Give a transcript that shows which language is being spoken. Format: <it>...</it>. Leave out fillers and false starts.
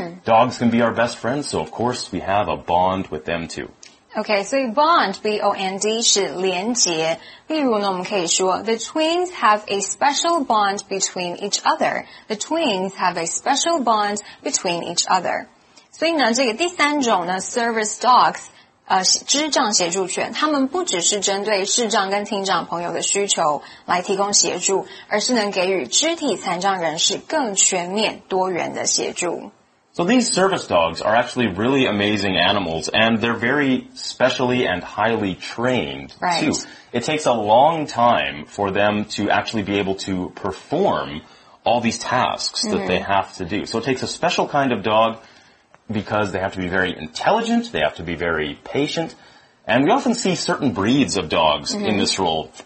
<en>Dogs can be our best friends, so of course we have a bond with them too. Okay, so bond, B-O-N-D,</en> <zh>是连结。例如呢，我们可以说</zh> <en>the twins have a special bond between each other. The twins have a special bond between each other.</en> <zh>所以呢，这个第三种呢 service dogs, 支障协助犬，他们不只是针对视障跟听障朋友的需求来提供协助，而是能给予肢体残障人士更全面多元的协助。</zh> <en>So these service dogs are actually really amazing animals, and they're very specially and highly trained, too. It takes a long time for them to actually be able to perform all these tasks that they have to do. So it takes a special kind of dog because they have to be very intelligent, they have to be very patient, and we often see certain breeds of dogs in this role.</en>